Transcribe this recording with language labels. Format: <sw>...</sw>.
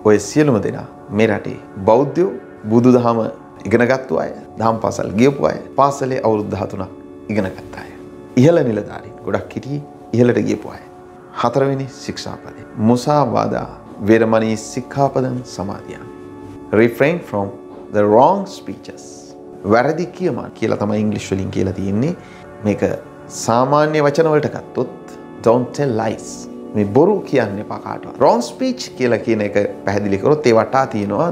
<si>ඔය සියලුම දෙනා මේ රටේ බෞද්ධ බුදුදහම ඉගෙන ගත්තු අය, දහම් පාසල් ගියපු අය, පාසලේ අවුරුදු 13ක් ඉගෙන ගත්ත අය. ඉහළ නිලධාරි ගොඩක් හිටියේ ඉහළට ගියපු අය. හතරවෙනි ශික්ෂාපදේ</si> <pi>මුසාවාදා වේරමණී ශික්ෂාපදං සමාදියාමි.</pi> <en>Refrain from the wrong speeches.</en> <si>වැරදි කියමා කියලා තමයි ඉංග්‍රීසි වලින් කියලා තියෙන්නේ. මේක සාමාන්‍ය වචන වලට ගත්තොත්</si> <en>don't tell lies.</en> <si>මේ බොරු කියන්න එපා කාටවත්.</si> <en>Wrong speech</en> <si>කියලා කියන එක පැහැදිලි කරොත් ඒ වටා තියෙනවා.</si>